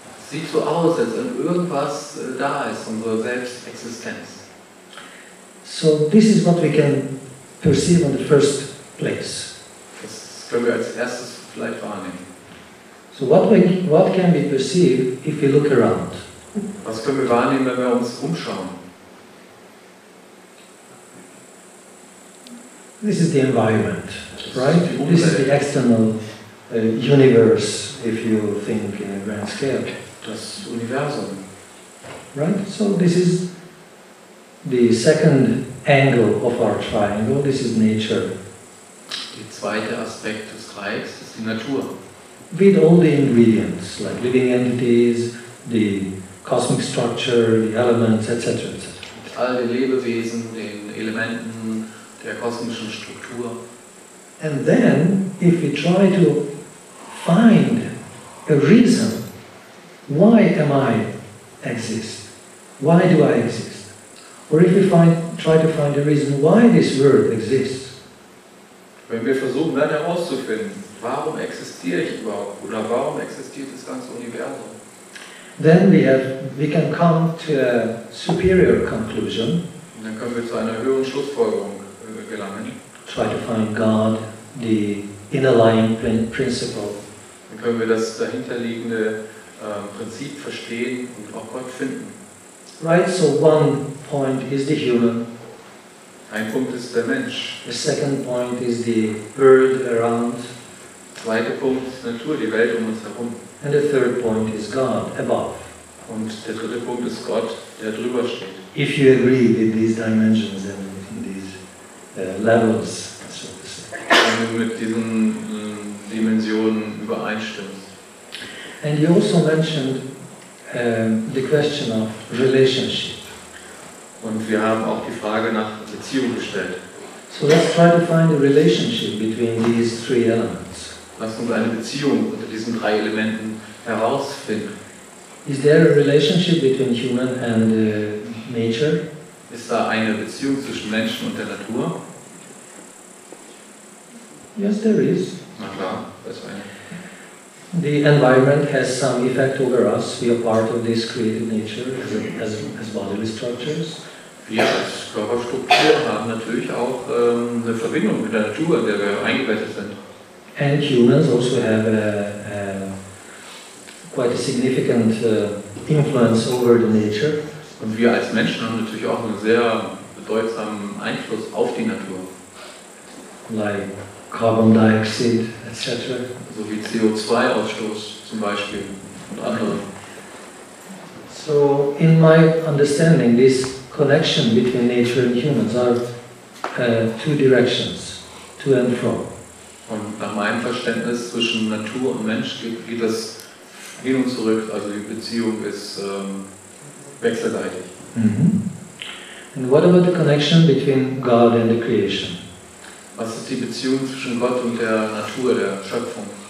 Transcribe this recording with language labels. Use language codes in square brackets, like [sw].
[de] Sieht so aus, als wenn irgendwas da ist, unsere Selbstexistenz. [en] So this is what we can perceive in the first place. [de] Das können wir als erstes vielleicht wahrnehmen. [en] So what can we perceive if we look around? [de] Was können wir wahrnehmen, wenn wir uns umschauen? [en] This is the environment, right? This is the external universe, if you think in a grand scale. [de] Das Universum. [en] Right? So this is the second angle of our triangle, this is nature. [de] Der zweite Aspekt des Dreiecks ist die Natur. [en] With all the ingredients, like living entities, the cosmic structure, the elements, etc. [de] Mit all den Lebewesen, den Elementen, der kosmischen Struktur. [en] And then, if we try to find a reason, why am I exist? Why do I exist? Or if we try to find a reason why this world exists. [de] Wenn wir versuchen, dann herauszufinden, warum existiere ich überhaupt oder warum existiert das ganze Universum? [en] Then we can come to a superior conclusion. [de] Und dann können wir zu einer höheren Schlussfolgerung gelangen. [en] Try to find God, the inner-lying principle. [de] Dann können wir das dahinterliegende Prinzip verstehen und auch Gott finden. [en] Right, so one point is the human. [de] Ein Punkt ist der Mensch. [en] The second point is the world around. [de] Zweiter Punkt ist Natur, die Welt um uns herum. [en] And the third point is God above. [de] Und der dritte Punkt ist Gott, der drüber steht. [en] If you agree with these dimensions and in these levels, so to say. [de] Wenn du mit diesen Dimensionen übereinstimmst. [en] And you also mentioned the question of relationship. [de] Und wir haben auch die Frage nach Beziehung gestellt. [en] So let's try to find a relationship between these three elements. [de] Lass uns eine Beziehung unter diesen drei Elementen herausfinden. [en] Is there a relationship between human and nature? [de] Ist da eine Beziehung zwischen Menschen und der Natur? [en] Yes, there is. [de] Na klar, das ist eine. [en] The environment has some effect over us. We are part of this created nature as bodily structures. [de] Wir als Körperstruktur haben natürlich auch eine Verbindung mit der Natur, in der wir eingebettet sind. [en] And humans also have quite a significant influence over the nature. [de] Und wir als Menschen haben natürlich auch einen sehr bedeutsamen Einfluss auf die Natur. [en] Like carbon dioxide, etc. [de] So wie CO2-Ausstoß zum Beispiel und andere. [en] So in my understanding, this connection between nature and humans are two directions, to and from. [de] Und nach meinem Verständnis zwischen Natur und Mensch geht das hin und zurück, also die Beziehung ist wechselseitig. Mm-hmm. [en] And what about the connection between God and the creation? [de] Was ist die Beziehung zwischen Gott und der Natur, der Schöpfung?